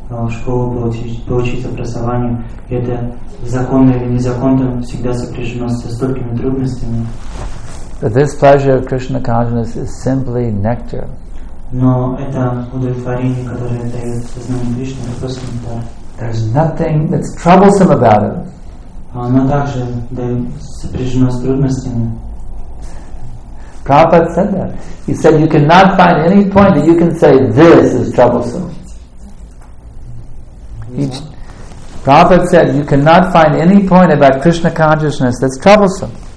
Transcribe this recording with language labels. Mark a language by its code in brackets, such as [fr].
[ru] Школу получить образование, это законно или незаконно, всегда сопряжено со столькими трудностями. [en] But this pleasure of Krishna consciousness is simply nectar. [ru] Но это удовлетворение, которое дает сознание Кришны, это просто нектар. [en] There's nothing that's troublesome about it. [ru] Оно также сопряжено с трудностями. [en] Prabhupada said that. He said you cannot find any point that you can say this is troublesome. Prabhupada said, you cannot find any point about Krishna consciousness that's troublesome.